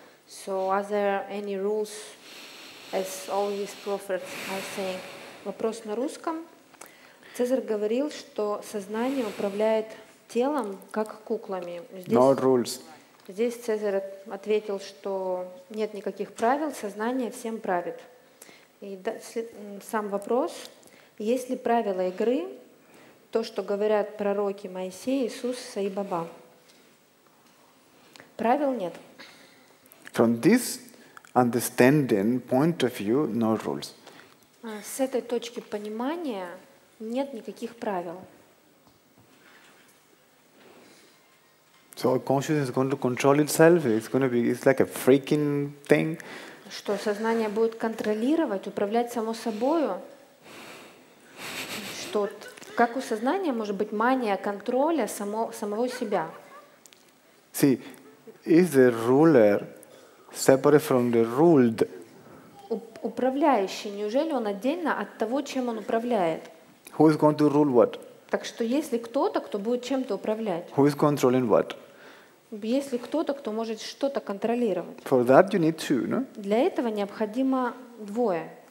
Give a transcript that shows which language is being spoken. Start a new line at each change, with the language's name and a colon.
English: So are there any rules as all these prophets are saying?
Russian: Вопрос на русском. Цезарь говорил, что сознание управляет телом, как куклами. Здесь,
English: no rules.
Russian: Здесь Цезарь ответил, что нет никаких правил, сознание всем правит. И сам вопрос. Есть ли правила игры, то, что говорят пророки Моисей, Иисус, Саи Баба? Правил нет.
English: From this understanding point of view, no rules.
Russian: С этой точки понимания нет никаких правил.
English: So consciousness is going to control itself. It's going to be, it's like a freaking thing.
Russian: Что сознание будет контролировать, управлять само собою? Что, как у сознания может быть мания контроля самого себя?
English: See, is the ruler separate from the ruled?
Russian: Управляющий, неужели он отдельно от того, чем он управляет?
English: Who is going to rule what?
Russian: Так что есть ли кто-то, кто будет чем-то управлять?
English: Who is controlling what?
Russian: Есть ли кто-то, кто может что-то контролировать?
English: For that you need two, no?
Russian: Для этого необходимо двое.